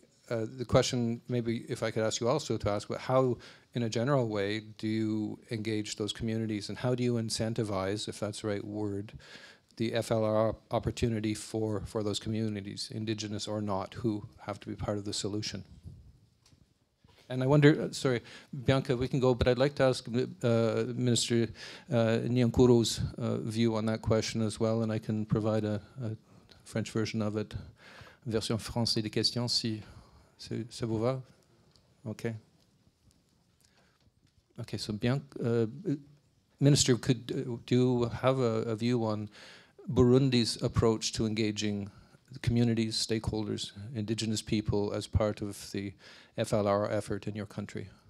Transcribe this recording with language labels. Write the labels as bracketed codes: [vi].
[en] The question, maybe if I could ask you also to ask, but how, in a general way, do you engage those communities and how do you incentivize, if that's the right word, the FLR opportunity for those communities, indigenous or not, who have to be part of the solution? And I wonder, sorry, Bianca, we can go, but I'd like to ask Minister Niyonkuru's view on that question as well, and I can provide a French version of it. [fr] Version française de question, si ça vous va? [en] Okay. Okay, so Bianca, Minister, could do you have a view on Burundi's approach to engaging communities, stakeholders, indigenous people as part of the FLR effort in your country?